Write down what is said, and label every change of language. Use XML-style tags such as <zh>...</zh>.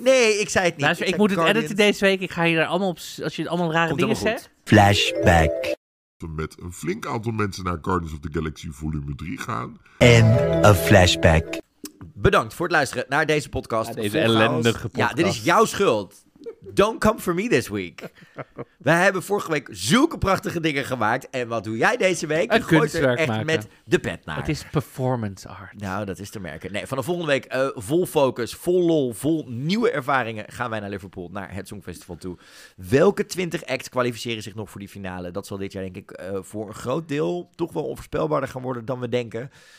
<nl>Nee, ik zei het niet. Luister, ik moet Guardians. Het editen deze week. Ik ga je daar allemaal op... Als je allemaal rare komt dingen zegt. Flashback. Met een flink aantal mensen naar Guardians of the Galaxy volume 3 gaan. En een flashback. Bedankt voor het luisteren naar deze podcast. Ja, deze ellendige podcast. Ja, dit is jouw schuld.</nl> <en>Don't come for me this week.</en> <nl>Wij hebben vorige week zulke prachtige dingen gemaakt. En wat doe jij deze week? Een kunstwerk maken. Je gooit er echt met de pet naar. Het is performance art. Nou, dat is te merken. Nee, vanaf volgende week vol focus, vol lol, vol nieuwe ervaringen gaan wij naar Liverpool, naar het Songfestival toe. Welke 20 acts kwalificeren zich nog voor die finale? Dat zal dit jaar denk ik voor een groot deel toch wel onvoorspelbaarder gaan worden dan we denken.</nl>